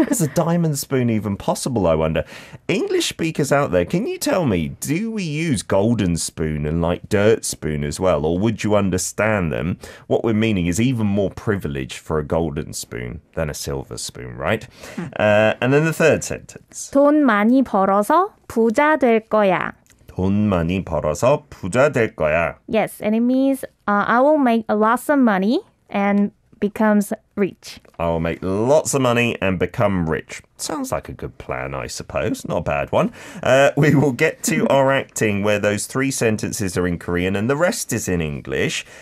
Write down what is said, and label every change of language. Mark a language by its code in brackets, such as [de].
[en] Is a diamond spoon even possible, I wonder? English speakers out there, can you tell me, do we use golden spoon and like dirt spoon as well? Or would you understand them? What we're meaning is even more privilege for a golden spoon than a silver spoon, right? And then the third sentence. [ko] 돈 많이 벌어서 부자 될 거야. 돈 많이 벌어서 부자 될 거야. [en] Yes, and it means I will make lots of money and becomes rich. I will make lots of money and become rich. Sounds like a good plan, I suppose. Not a bad one. We will get to our acting where those three sentences are in Korean and the rest is in English.